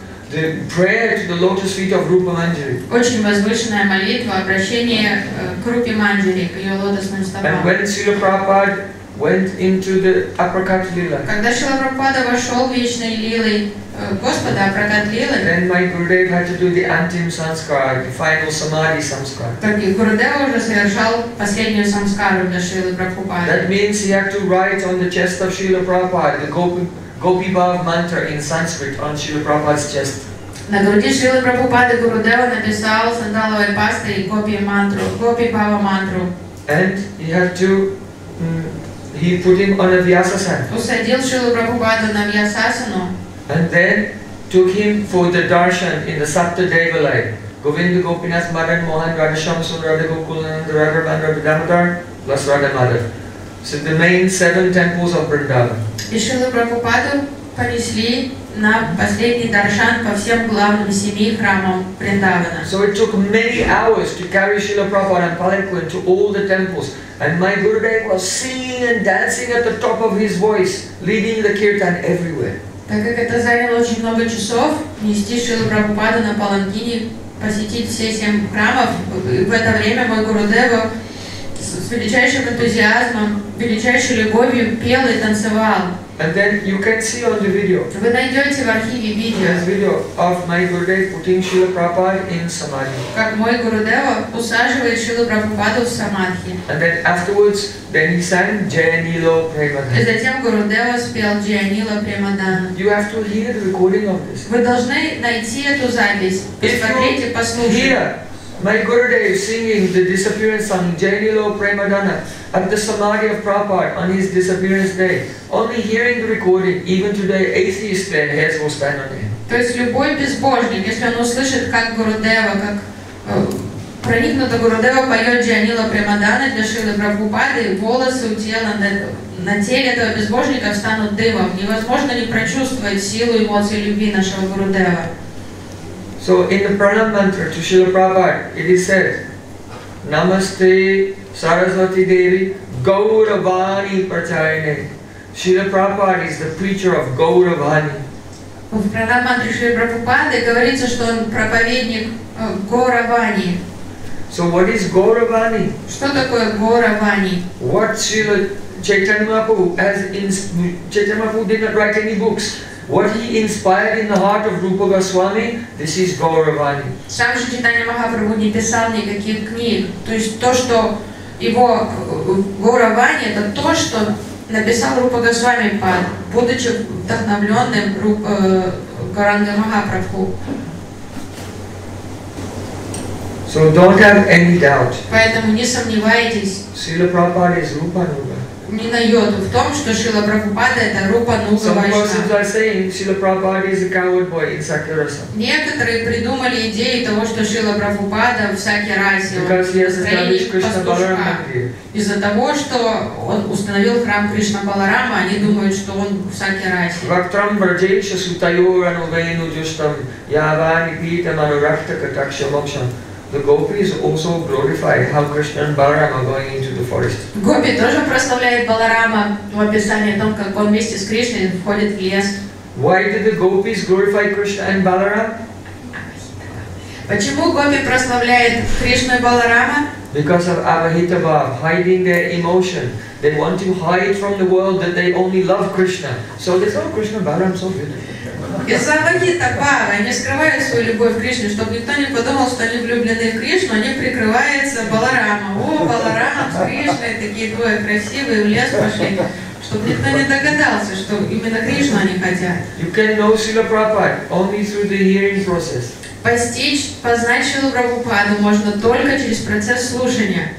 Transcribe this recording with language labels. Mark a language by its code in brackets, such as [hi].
[en] The prayer to the lotus feet of Rupa Manjari. [ru] Очень возвышенная молитва, обращение к Рупе Манджари, к ее лотосным стопам. [en] And when Srila Prabhupada went into the Uppercut Lila. [ru] Когда Шрила Прабхупада вошел в вечные лилы Господа, Uppercut Lila. [en] Then my Gurudev had to do the Antim Sanskar, the final Samadhi Sanskar. [ru] Так Гурудев уже совершал последнюю санскару для Шрилы Прабхупады. [en] That means he had to write on the chest of Srila Prabhupada the Gopi Bhav mantra in Sanskrit on Srila Prabhupada's chest. [ru] На груди Шрилы Прабхупады Гурудева написал сандаловой пастой Гопи мантру, Гопи Бхава мантру. [en] And he had to he put him on a Vyasasana. [ru] Усадил Шрилу Прабхупаду на Вьясасану. [en] And then took him for the darshan in the Saptadevalaya. Govinda Gopinath Madan Mohan Radhashamsun Radha Gokulananda Radha Bandra Vidamadar plus Radha Madhav. So the main seven temples of Vrindavan. [ru] И Шрилу Прабхупаду понесли на последний даршан по всем главным семи храмам Вриндавана. [en] So it took many hours to carry Srila Prabhupada and Palanquin to all the temples. And my Gurudev was singing and dancing at the top of his voice, leading the kirtan everywhere. [ru] Так как это заняло очень много часов, нести Шрилу Прабхупаду на Паланкине, посетить все семь храмов, в это время мой Гурудев с величайшим энтузиазмом, величайшей любовью пел и танцевал. [en] And then you can see on the video. [ru] Вы найдете в архиве видео. [en] This video of my Gurudev putting Srila Prabhupada in Samadhi. [ru] Как мой Гурудев усаживает Шрилу Прабхупаду в Самадхи. [en] And then afterwards, then he sang Jai Nilo Premadana. [ru] И затем Гурудев спел Jai Nilo Premadana. [en] You have to hear the recording of this. [ru] Вы должны найти эту запись. Посмотрите, послушайте. [en] My Gurudev singing the disappearance song Jai Nilo Premadana at the Samadhi of Prabhupada on his disappearance day. Only hearing the recording, even today, atheist their heads will stand on him. [ru] То есть любой безбожник, если он услышит, как Гурудева, как проникнуто Гурудева поет Jai Nilo Premadana для Шрилы Прабхупады, волосы у тела на теле этого безбожника встанут дымом. Невозможно не прочувствовать силу и эмоции любви нашего Гурудева. [en] So in the Pranam Mantra to Srila Prabhupada, it is said, Namaste Saraswati Devi Gauravani Pracharine. Srila Prabhupada is the preacher of Gauravani. [ru] В Pranam Mantra Srila Prabhupada говорится, что он проповедник Gauravani. [en] So what is Gauravani? [ru] Что такое Gauravani? [en] What Srila Chaitanya Mahaprabhu, Chaitanya Mahaprabhu did not write any books. What he inspired in the heart of Rupa Goswami, this is Gauravani. [ru] Сам же Чайтанья Махапрабху не писал никаких книг. То есть то, что его Гауравани, это то, что написал Рупа Госвами, будучи вдохновленным Гаурангой Махапрабху. [en] So don't have any doubt. [ru] Поэтому не сомневайтесь. [en] Srila Prabhupada is Rupa Nuga. [ru] Не на йоту, в том, что Шрила Прабхупада это Рупа Нуга Вайшнава. Некоторые придумали идеи того, что Шрила Прабхупада в Сакирасе, из-за того, что он установил храм Кришна Баларама, они думают, что он в Сакирасе. [sa] Вактрам Брадейша Сутайора Нувейну Джуштам Явани Пита Манурахтака Такшамокшам. [en] The gopis also glorify how Krishna and Balarama are going into the forest. [ru] Гопи тоже прославляет Баларама в описании о том, как он вместе с Кришной входит в лес. [en] Why did the gopis glorify Krishna and Balarama? [ru] Почему гопи прославляет Кришну и Баларама? [en] Because of Avahitabha hiding their emotion. They want to hide from the world that they only love Krishna. So they say, oh, Krishna, Balaram, so good. [ru] Из-за Авахитабхавы они скрывают свою любовь к Кришне, чтобы никто не подумал, что они влюблены в Кришну, они прикрываются Баларамом. О, Баларам с Кришной, такие двое красивые, в лес пошли, чтобы никто не догадался, что именно Кришну они хотят. [en] You can know Srila Prabhupada only through the hearing process. [ru] Постичь, познать Шрилу Прабхупаду можно только через процесс слушания.